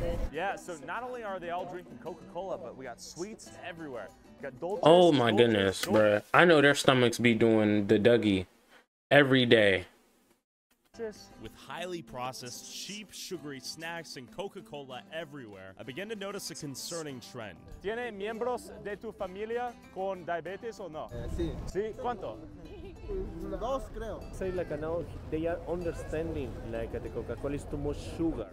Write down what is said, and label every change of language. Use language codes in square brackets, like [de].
[en] Yeah, so not only are they all drinking Coca-Cola, but we got sweets everywhere. Got goodness, bruh. I know their stomachs be doing the Dougie every day. With highly processed, cheap, sugary snacks and Coca-Cola everywhere, I began to notice a concerning trend. [es] ¿Tiene miembros de tu familia con diabetes o no? Sí. Sí, ¿cuánto? Dos, creo. [en] Say, like, now they are understanding, like, the Coca-Cola is too much sugar.